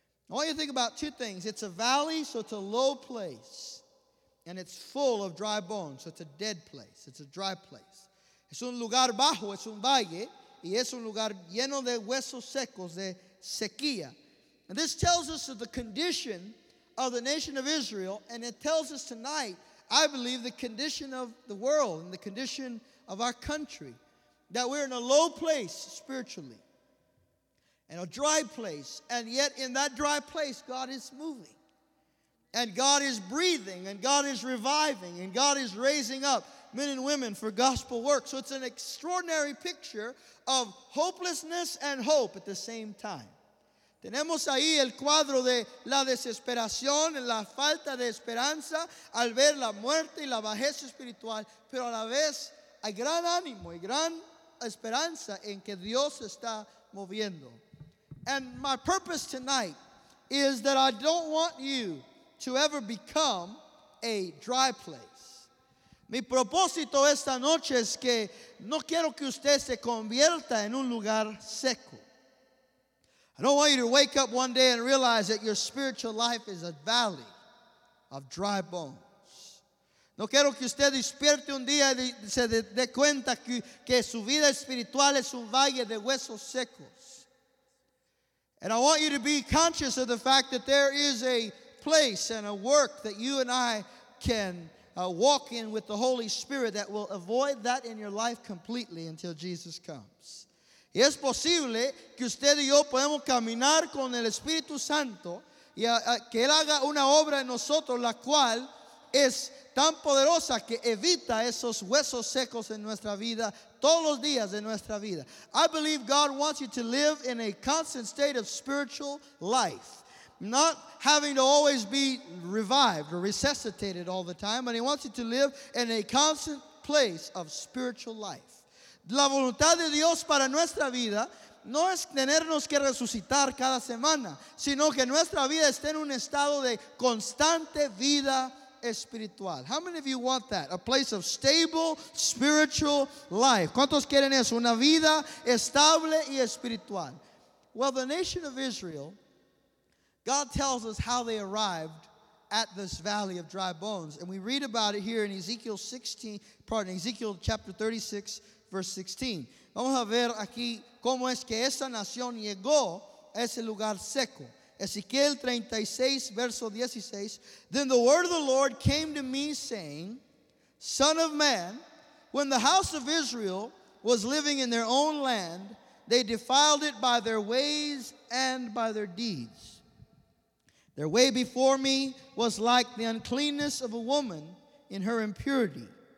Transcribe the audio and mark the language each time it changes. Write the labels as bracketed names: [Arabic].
[English] I want you to think about two things. It's a valley, so it's a low place. And it's full of dry bones, so it's a dead place. It's a dry place. [Spanish] Es un lugar bajo, es un valle, y es un lugar lleno de huesos secos, de sequía. [English] And this tells us of the condition of the nation of Israel, and it tells us tonight, I believe, the condition of the world and the condition of our country, that we're in a low place spiritually. In a dry place, and yet in that dry place, God is moving. And God is breathing, and God is reviving, and God is raising up men and women for gospel work. So it's an extraordinary picture of hopelessness and hope at the same time. [Spanish] Tenemos ahí el cuadro de la desesperación, la falta de esperanza, al ver la muerte y la bajeza espiritual, pero a la vez hay gran ánimo y gran esperanza en que Dios está moviendo. [English] And my purpose tonight is that I don't want you to ever become a dry place. [Spanish] Mi propósito esta noche es que no quiero que usted se convierta en un lugar seco. [English] I don't want you to wake up one day and realize that your spiritual life is a valley of dry bones. [Spanish] No quiero que usted despierte un día y se dé cuenta que su vida espiritual es un valle de huesos secos. [English] And I want you to be conscious of the fact that there is a place and a work that you and I can walk in with the Holy Spirit that will avoid that in your life completely until Jesus comes. [Spanish] Y es posible que usted y yo podemos caminar con el Espíritu Santo y que Él haga una obra en nosotros la cual es tan poderosa que evita esos huesos secos en nuestra vida todos los días de nuestra vida. [English] I believe God wants you to live in a constant state of spiritual life, not having to always be revived or resuscitated all the time, but He wants you to live in a constant place of spiritual life. [Spanish] La voluntad de Dios para nuestra vida no es tenernos que resucitar cada semana, sino que nuestra vida esté en un estado de constante vida espiritual. [English] How many of you want that? A place of stable spiritual life. [Spanish] ¿Cuántos quieren eso? Una vida estable y espiritual. [English] Well, the nation of Israel, God tells us how they arrived at this valley of dry bones. And we read about it here in Ezekiel chapter 36, verse 16. [Spanish] Vamos a ver aquí cómo es que esa nación llegó a ese lugar seco. Ezekiel 36, verso 16. [English] Then the word of the Lord came to me, saying, Son of man, when the house of Israel was living in their own land, they defiled it by their ways and by their deeds. Their way before me was like the uncleanness of a woman in her impurity.